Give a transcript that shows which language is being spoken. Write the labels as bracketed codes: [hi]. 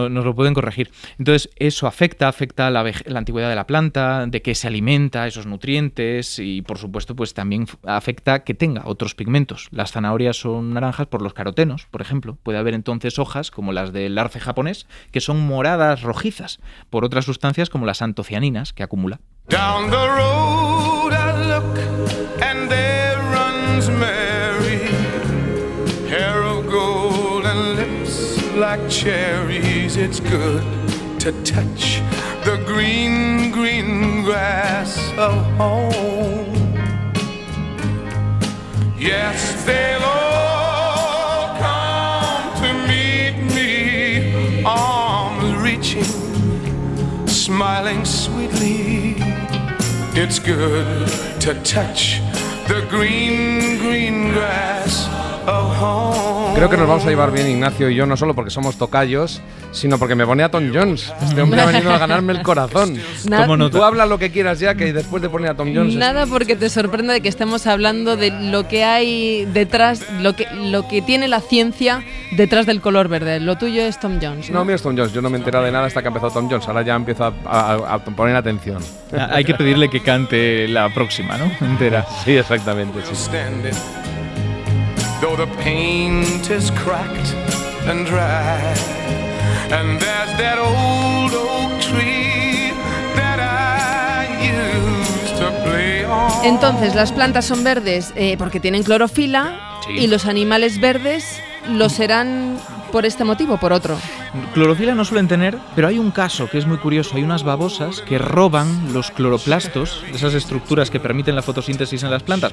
[es] No, nos lo pueden corregir. Entonces, eso afecta la antigüedad de la planta, de qué se alimenta, esos nutrientes, y por supuesto, pues también afecta que tenga otros pigmentos. Las zanahorias son naranjas por los carotenos, por ejemplo. Puede haber entonces hojas, como las del arce japonés, que son moradas rojizas por otras sustancias como las antocianinas que acumula. [en] Down the road I look and there runs Mary, hair of gold and lips like cherries. It's good to touch the green, green grass of home. Yes, they'll all come to meet me, arms reaching, smiling sweetly. It's good to touch the green, green grass of home. [es] Creo que nos vamos a llevar bien Ignacio y yo, no solo porque somos tocayos, sino porque me pone a Tom Jones. Este hombre ha venido a ganarme el corazón. Tú habla lo que quieras ya, que después de poner a Tom Jones... Nada, porque te sorprende de que estemos hablando de lo que hay detrás, lo que tiene la ciencia detrás del color verde. Lo tuyo es Tom Jones. No, mío es Tom Jones. Yo no me he enterado de nada hasta que empezó Tom Jones. Ahora ya empiezo a poner atención. Hay que pedirle que cante la próxima, ¿no? Entera. Sí, exactamente. Sí. [en] Though the paint is cracked and dry, and there's that old oak tree that I used to play on. [es] Entonces, las plantas son verdes porque tienen clorofila, sí. Y los animales verdes lo serán por este motivo, por otro. Clorofila no suelen tener, pero hay un caso que es muy curioso. Hay unas babosas que roban los cloroplastos, esas estructuras que permiten la fotosíntesis en las plantas.